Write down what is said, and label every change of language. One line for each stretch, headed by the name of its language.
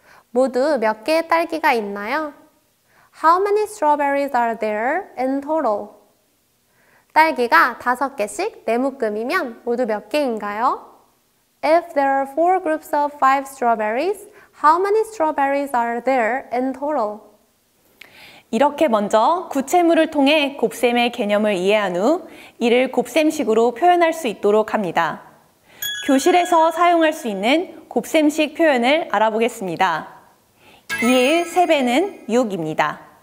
Korean: 모두 몇 개의 딸기가 있나요?
English: How many strawberries are there in total?
Korean: 딸기가 다섯 개씩 네 묶음이면 모두 몇 개인가요?
English: If there are four groups of five strawberries, how many strawberries are there in total?
Korean: 이렇게 먼저 구체물을 통해 곱셈의 개념을 이해한 후 이를 곱셈식으로 표현할 수 있도록 합니다. 교실에서 사용할 수 있는 곱셈식 표현을 알아보겠습니다. 2의 3배는 6입니다.